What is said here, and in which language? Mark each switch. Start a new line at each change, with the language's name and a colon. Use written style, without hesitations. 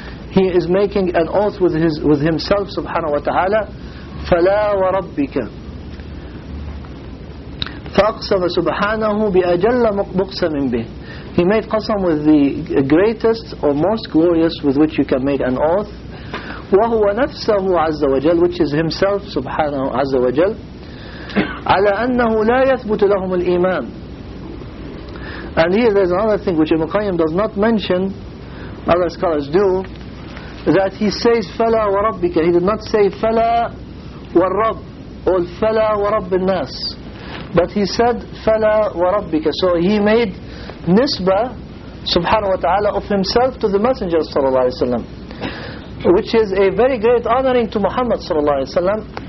English: He is making an oath with himself, subhanahu wa ta'ala.
Arabic: فَلَا وَرَبِّكَ فَأَقْسَمَ سُبْحَانَهُ بِأَجَلَّ مُقْسَمٍ بِهِ.
English: He made qasam with the greatest or most glorious with which you can make an oath.
Arabic: وَهُوَ نَفْسَهُ عَزَّ وَجَلْ,
English: which is Himself, subhanahu
Arabic: عَزَّ وَجَلْ, عَلَى أَنَّهُ لَا يَثْبُتُ لَهُمُ الْإِيمَانِ.
English: And here there's another thing which Ibn Qayyim does not mention, other scholars do, that he says
Arabic: فَلَا وَرَبِّكَ.
English: He did not say
Arabic: فَلَا وَالرَّبِّ
English: or
Arabic: فَلَا وَرَبِّ النَّاسِ,
English: but he said
Arabic: فَلَا وَرَبِّكَ.
English: So he made nisbah, subhanahu wa ta'ala, of himself to the Messenger sallallahu alayhi wa sallam, which is a very great honoring to Muhammad sallallahu alayhi wa sallam.